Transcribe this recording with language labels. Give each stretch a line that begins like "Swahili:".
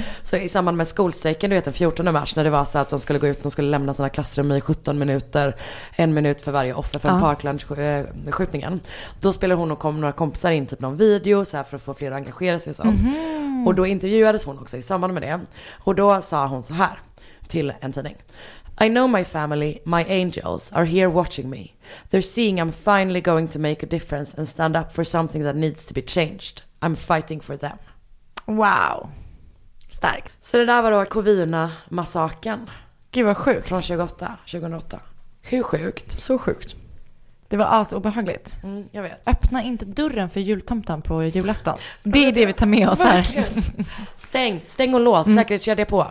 Swedish: Så i samband med skolstrejken, du vet, den 14 mars när det var så att de skulle gå ut, de skulle lämna sina klassrum i 17 minuter, en minut för varje offer för Parkland-skjutningen, då spelade hon och kom några kompisar in typ någon video så här, för att få fler att engagera sig och sånt. Och då intervjuades hon också i samband med det, och då sa hon så här till en tidning:
English: "I know my family, my angels, are here watching me. They're seeing I'm finally going to make a difference and stand up for something that needs to be changed. I'm fighting for them."
Swedish: Wow. Starkt. Så det där var då Covina-massaken. Gud vad sjukt. Från 2008. Hur sjukt? Så sjukt. Det var asobehagligt. Mm, jag vet. Öppna inte dörren för jultomten på julafton. Det är det vi tar med oss här. Verkligen. Stäng, stäng och lås. Säkerhetskedja på.